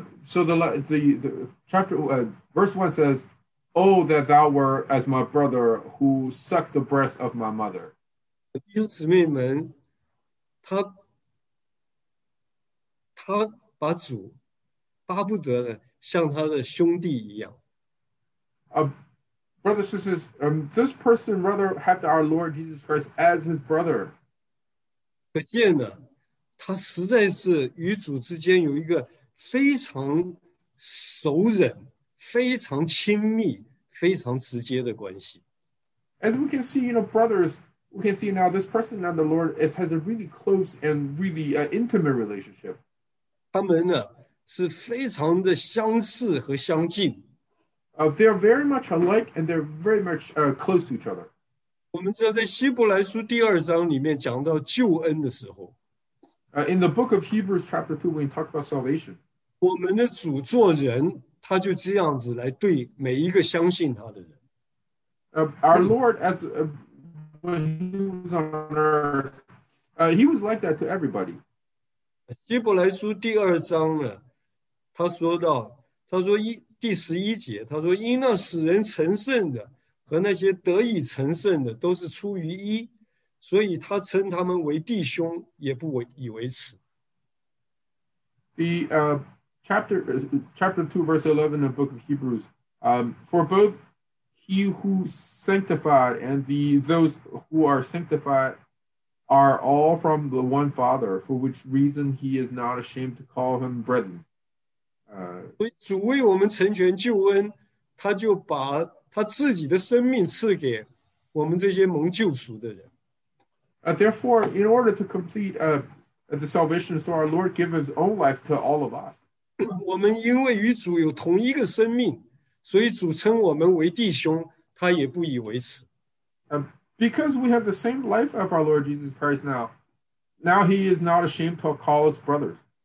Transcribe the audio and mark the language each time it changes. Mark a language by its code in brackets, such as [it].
[en] So the chapter verse one says, "Oh, that thou were as my brother who sucked the breast of my mother." [zh] 弟兄姊妹们，他把主巴不得的像他的兄弟一样。 [en] Brothers and sisters, this person rather had our Lord Jesus Christ as his brother. [zh] 可见呢，他实在是与主之间有一个非常熟人、非常亲密、非常直接的关系。 [en] As we can see, you know, brothers, we can see now this person and the Lord has a really close and really intimate relationship. [zh] 他们呢是非常的相似和相近。 [en] They are very much alike and they're very much close to each other. [zh] 我们知道在希伯来书第二章里面讲到救恩的时候。 [en] In the book of Hebrews chapter 2, when you talk about salvation. [zh] 我们的主做人，他就这样子来对每一个相信他的人。 [en] Our Lord, as when he was on earth, he was like that to everybody. [zh] 希伯来书第二章呢，他说到，他说第十一节，他说因那使人成圣的和那些得以成圣的都是出于一，所以他称他们为弟兄，也不以为耻。 [en] The chapter 2 verse 11 of the book of Hebrews, for both he who sanctified and those who are sanctifiedare all from the one Father, for which reason he is not ashamed to call him brethren. [zh] 主为我们成全救恩，他就把他自己的生命赐给我们这些蒙救赎的人。 [en] Therefore, in order to complete the salvation, so our Lord gave his own life to all of us. [zh] 我们因为与主有同一个生命，所以主称我们为弟兄，他也不以为耻。 [en] Because we have the same life of our Lord Jesus Christ now he is not ashamed to call us brothers.